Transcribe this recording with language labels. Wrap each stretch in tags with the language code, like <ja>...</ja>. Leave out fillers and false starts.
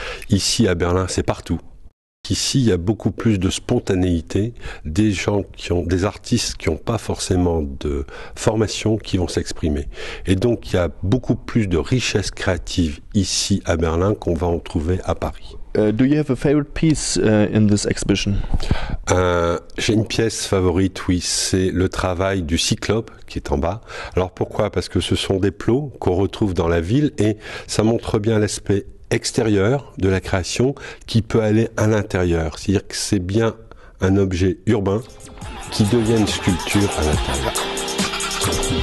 <fr>Ici, à Berlin, c'est partout. Ici, il y a beaucoup plus de spontanéité, des gens qui ont, des artistes qui n'ont pas forcément de formation qui vont s'exprimer. Et donc, il y a beaucoup plus de richesse créative ici à Berlin qu'on va en trouver à Paris.</fr> <en>Do you have a favorite piece in this exhibition?</en> <fr>J'ai une pièce favorite, oui, c'est le travail du cyclope qui est en bas. Alors pourquoi? Parce que ce sont des plots qu'on retrouve dans la ville et ça montre bien l'aspect extérieur de la création qui peut aller à l'intérieur. C'est-à-dire que c'est bien un objet urbain qui devient une sculpture à l'intérieur.</fr>